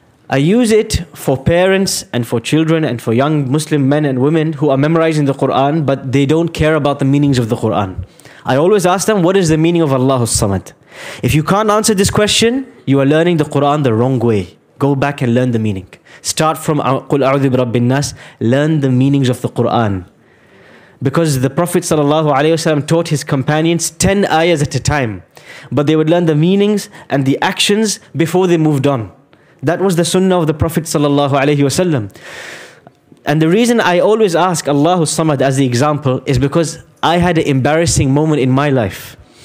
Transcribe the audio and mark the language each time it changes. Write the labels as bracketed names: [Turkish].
[English] I use it for parents and for children and for young Muslim men and women who are memorizing the Quran, but they don't care about the meanings of the Quran. I always ask them, what is the meaning of Allahus Samad? If you can't answer this question, you are learning the Quran the wrong way. Go back and learn the meaning. Start from [Arabic] قُلْ أَعُوذِ بِرَبِّ النَّاسِ. [English] Learn the meanings of the Quran. Because the Prophet ﷺ taught his companions 10 ayahs at a time. But they would learn the meanings and the actions before they moved on. That was the sunnah of the Prophet ﷺ. And the reason I always ask Allahus Samad as the example is because I had an embarrassing moment in my life.